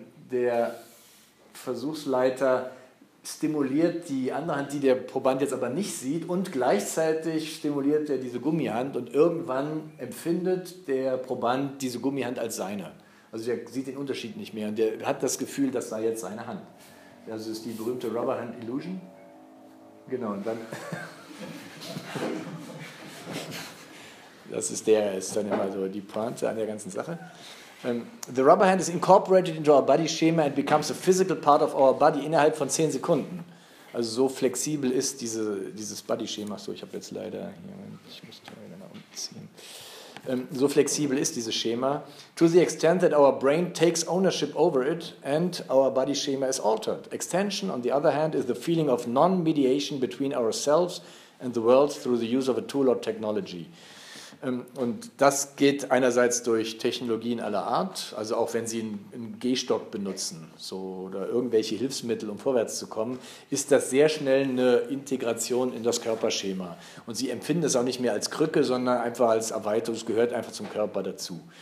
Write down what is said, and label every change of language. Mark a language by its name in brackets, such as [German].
[German] Der Versuchsleiter stimuliert die andere Hand, die der Proband jetzt aber nicht sieht, und gleichzeitig stimuliert er diese Gummihand und irgendwann empfindet der Proband diese Gummihand als seine. Also der sieht den Unterschied nicht mehr und der hat das Gefühl, das sei jetzt seine Hand. Das ist die berühmte Rubber Hand Illusion. Genau, und dann. Das ist der, ist dann immer so die Pointe an der ganzen Sache. [English] The Rubber Hand is incorporated into our body schema and becomes a physical part of our body [German] innerhalb von 10 Sekunden. Also so flexibel ist dieses Body Schema. So, ich habe jetzt leider hier, ich muss da wieder nach unten ziehen. So flexibel ist dieses Schema, [English] to the extent that our brain takes ownership over it and our body schema is altered. Extension, on the other hand, is the feeling of non-mediation between ourselves and the world through the use of a tool or technology. [German] Und das geht einerseits durch Technologien aller Art, also auch wenn Sie einen Gehstock benutzen so, oder irgendwelche Hilfsmittel, um vorwärts zu kommen, ist das sehr schnell eine Integration in das Körperschema. Und Sie empfinden es auch nicht mehr als Krücke, sondern einfach als Erweiterung, es gehört einfach zum Körper dazu.